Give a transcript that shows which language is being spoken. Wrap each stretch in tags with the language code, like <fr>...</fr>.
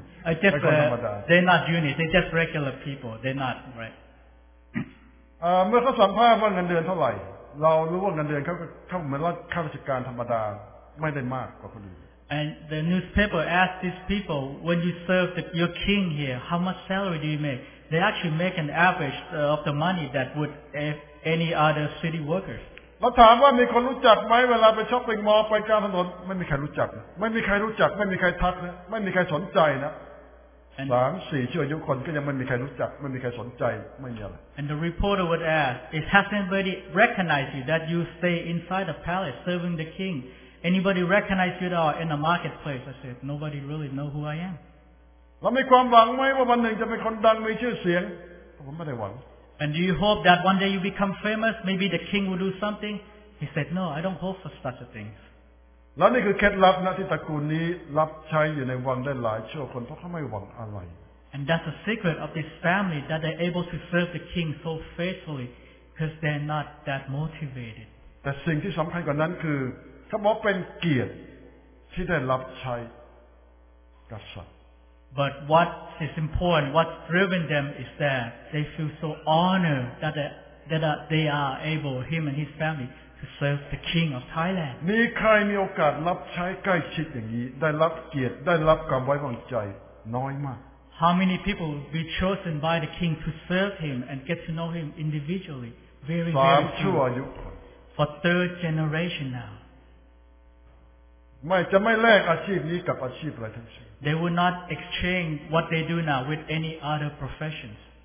<en>I just they're not unit they're just regular people they're not right</en> <th>เมื่อเขาสัมภาษณ์ว่าเงินเดือนเท่าไหร่เรารู้ว่าเงินเดือนเขาเหมือนข้าราชการธรรมดาไม่ได้มากกว่าคนอื่น</th> <en>And the newspaper asked these people when you serve your king here how much salary do you make they actually make an average of the money that would any other city workers</en> <th>เราถามว่ามีคนรู้จักไหมเวลาไปช้อปปิ้งมอลล์ไปกลางถนนไม่มีใครรู้จักไม่มีใครรู้จักไม่มีใครทักนะไม่มีใครสนใจนะ สามสี่ชั่วอายุคนก็ยังไม่มีใครรู้จักไม่มีใครสนใจไม่มีอะไร</th> <en>And the reporter would ask, "Is has anybody recognized you that you stay inside the palace serving the king? Anybody recognize you at all in the marketplace?" I said, "Nobody really know who I am."</en> <th>เรามีความหวังไหมว่าวันหนึ่งจะเป็นคนดังมีชื่อเสียงผมไม่ได้หวัง</th> <en>And do you hope that one day you become famous? Maybe the king will do something? He said, no, I don't hope for such a thing.</en> <th>แล้วนี่คือเคล็ดลับนะที่ตระกูลนี้รับใช้อยู่ในวังได้หลายชั่วคนเพราะเขาไม่หวังอะไร</th> <en>And that's the secret of this family that they're able to serve the king so faithfully because they're not that motivated.</en> <th>แต่สิ่งที่สำคัญกว่านั้นคือเขาบอกเป็นเกียรติที่ได้รับใช้กษัตริย์</th> <en>But what is important, what's driven them is that they feel so honored that they are able, him and his family, to serve the king of Thailand.</en> <th>มีใครมีโอกาสรับใช้ใกล้ชิดอย่างนี้ได้รับเกียรติได้รับความไว้วางใจน้อยมาก</th> <en>How many people will be chosen by the king to serve him and get to know him individually? Very, very few. For third generation now. They will not exchange what they do now with any other professions.</en>